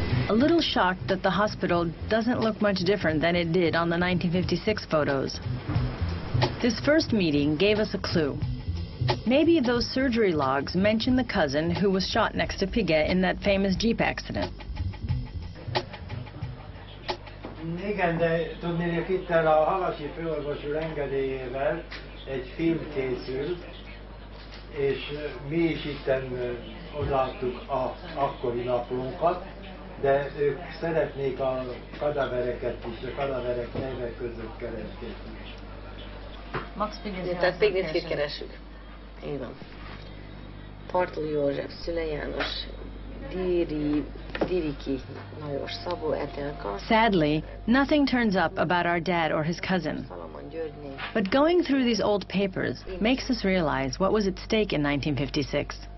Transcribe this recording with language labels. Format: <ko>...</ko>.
<en>A little shocked that the hospital doesn't look much different than it did on the 1956 photos. This first meeting gave us a clue. Maybe those surgery logs mention the cousin who was shot next to Pige in that famous Jeep accident.</en> <hu>Igen, de tudni, hogy itt a Halasi főorvosi engedélyével egy film készül, és mi is itten odaadtuk a akkori naplónkat, de ők szeretnék a kadavereket is, a kadaverek neve között keresni. Max Pignitsky. Tehát Pignitsky-t keresünk. Így van. Partl József, Szüle János, Diriki, Lajos, Szabó, Etelka.</hu> <en>Sadly, nothing turns up about our dad or his cousin. But going through these old papers makes us realize what was at stake in 1956.</en>